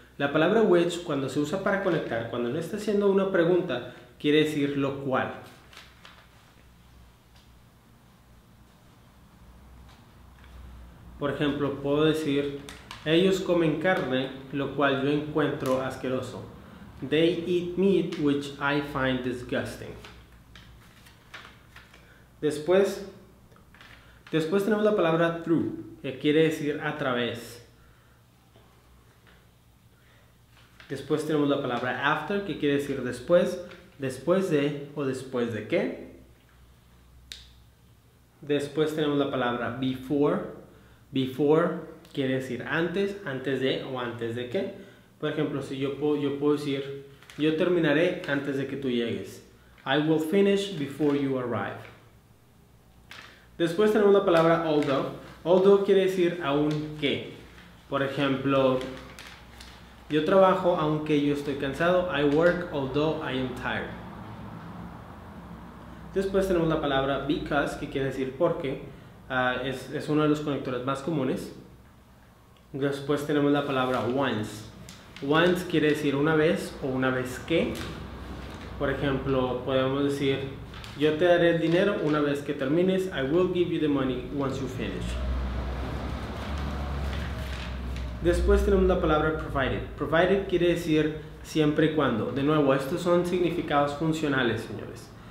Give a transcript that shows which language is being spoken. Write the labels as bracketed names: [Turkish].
[Spanish] La palabra which, cuando se usa para conectar, cuando no está haciendo una pregunta, quiere decir lo cual. Por ejemplo, puedo decir, ellos comen carne, lo cual yo encuentro asqueroso. [English] They eat meat, which I find disgusting. [Spanish] Después tenemos la palabra through, que quiere decir a través. Después tenemos la palabra after, que quiere decir después, después de o después de qué. Después tenemos la palabra before. Before quiere decir antes, antes de o antes de qué. Por ejemplo, si yo puedo decir, yo terminaré antes de que tú llegues. [English] I will finish before you arrive. [Spanish] Después tenemos la palabra although. Although quiere decir aunque. Por ejemplo, yo trabajo aunque yo estoy cansado. [English] I work although I am tired. [Spanish] Después tenemos la palabra because, que quiere decir porque. Es uno de los conectores más comunes. Después tenemos la palabra once. Once quiere decir una vez o una vez que. Por ejemplo, podemos decir, yo te daré el dinero una vez que termines. [English] I will give you the money once you finish. [Spanish] Después tenemos la palabra provided. Provided quiere decir siempre y cuando. De nuevo, estos son significados funcionales, señores.